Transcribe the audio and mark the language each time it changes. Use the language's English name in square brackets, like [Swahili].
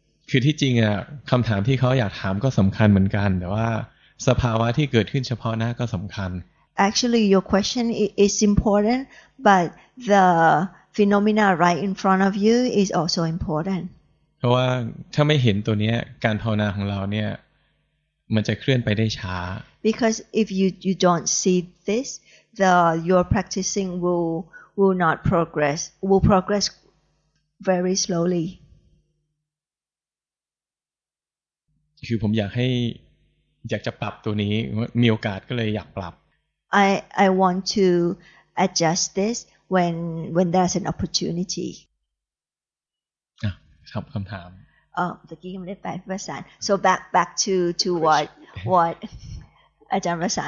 [Thai] คือที่จริงอ่ะคำถามที่เขาอยากถามก็สำคัญเหมือนกันแต่ว่าสภาวะที่เกิดขึ้นเฉพาะหน้าก็สำคัญ [English] Actually your question is important but the phenomena right in front of you is also important [Thai] เพราะว่าถ้าไม่เห็นตัวนี้การภาวนาของเราเนี่ยมันจะเคลื่อนไปได้ช้า [English] Because if you don't see this your practicing will not progress will progress very slowly [Thai] คือผมอยากให้อยากจะปรับตัวนี้มีโอกาสก็เลยอยากปรับ [English] I want to adjust this when there's an opportunity [Thai] ครับคำถาม ตะกี้ยังไม่ได้แปลภาษา [English] so back to what [Thai] อาจารย์ภาษา